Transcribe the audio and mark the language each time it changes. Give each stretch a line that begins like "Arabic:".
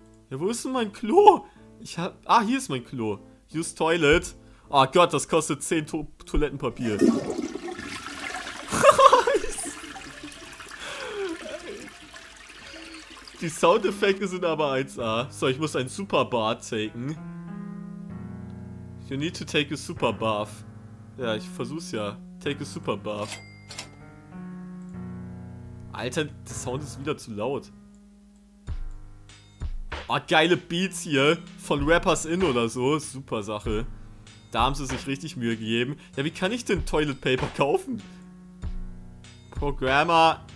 German: Ja, wo ist denn mein Klo? Hier ist mein Klo.
English: Use Toilet.
German: Oh Gott, das kostet 10 Toilettenpapier. Die Soundeffekte sind aber 1A. So, ich muss ein Super Bath taken.
English: You need to take a Super Bath.
German: Ja, ich versuch's ja.
English: Take a Super Bath.
German: Alter, der Sound ist wieder zu laut. Oh, geile Beats hier. Von Rappers Inn oder so. Super Sache. Da haben sie sich richtig Mühe gegeben. Ja, wie kann ich denn Toilet Paper kaufen? Programmer.